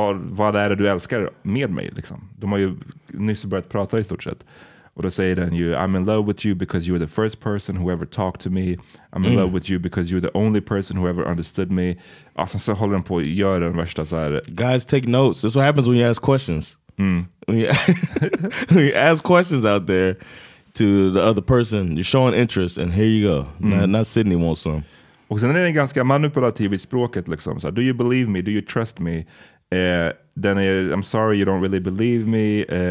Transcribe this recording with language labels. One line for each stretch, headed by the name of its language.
Swedish: Vad är det du älskar med mig liksom? De har ju nyss börjat prata i stort sett. Och då säger den ju,
English: I'm in love with you because you were the first person who ever talked to me. I'm in love with you because you're the only person who ever understood me.
Swedish: Och sen så håller den på att göra den värsta så här.
English: Guys, take notes. That's what happens when you ask questions. Mm. When you ask questions out there to the other person, you're showing interest, and here you go. Not Sydney wants some.
Swedish: Och sen är den ganska manipulativ i språket liksom.
English: Så, do you believe me? Do you trust me? Then I'm sorry you don't really believe me.